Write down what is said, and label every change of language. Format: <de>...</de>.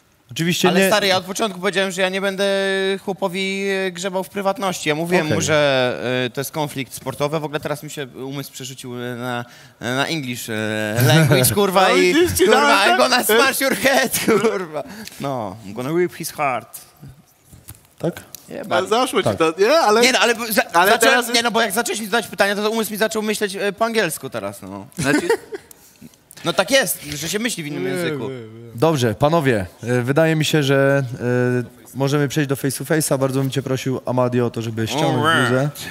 <pl>Oczywiście. Ale nie... stary, ja od początku powiedziałem, że ja nie będę chłopowi grzebał w prywatności. Ja mówiłem mu, że to jest konflikt sportowy. W ogóle teraz mi się umysł przerzucił na English language, kurwa, i kurwa,</pl> <en>I'm gonna smash your head,</en> <pl>kurwa.</pl> <en>No, I'm gonna rip his heart.</en> <pl>Tak? Ale zaszło ci tak. To, nie? Ale... Nie, no, ale, ale zacząłem, teraz... nie, no bo jak zacząłeś mi zadać pytania, to umysł mi zaczął myśleć po angielsku teraz, no. No tak jest, że się myśli w innym języku. Dobrze, panowie, wydaje mi się, że możemy przejść do face to face'a. Bardzo bym cię prosił, Amadio, o to, żeby ściągnąć bluzę.</pl>